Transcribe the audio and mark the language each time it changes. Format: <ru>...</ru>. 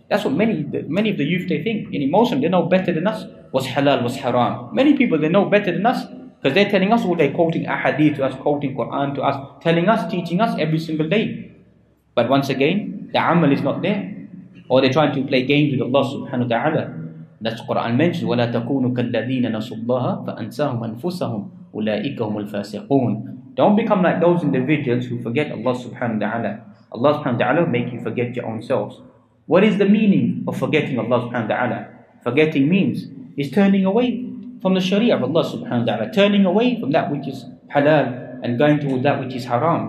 <en>That's what many of the youth, they think. In emotion, they know better than us what's halal, what's haram. Many people, they know better than us, because they're telling us all day, quoting ahadith to us, quoting Quran to us, telling us, teaching us every single day. But once again, the amal is not there. Or they're trying to play games with Allah subhanahu wa ta'ala. That's Quran mentions,</en> <ar>وَلَا تَكُونُ كَالَّذِينَ نَسُوا اللَّهَ فَأَنْسَاهُمْ أَنفُسَهُمْ أُولَٰئِكَ هُمُ الْفَاسِقُونَ.</ar> <en>Don't become like those individuals who forget Allah subhanahu wa ta'ala. Allah subhanahu wa ta'ala will make you forget your own selves. What is the meaning of forgetting Allah subhanahu wa ta'ala? Forgetting means is turning away from the sharia of Allah subhanahu wa ta'ala, turning away from that which is halal and going toward that which is haram.</en>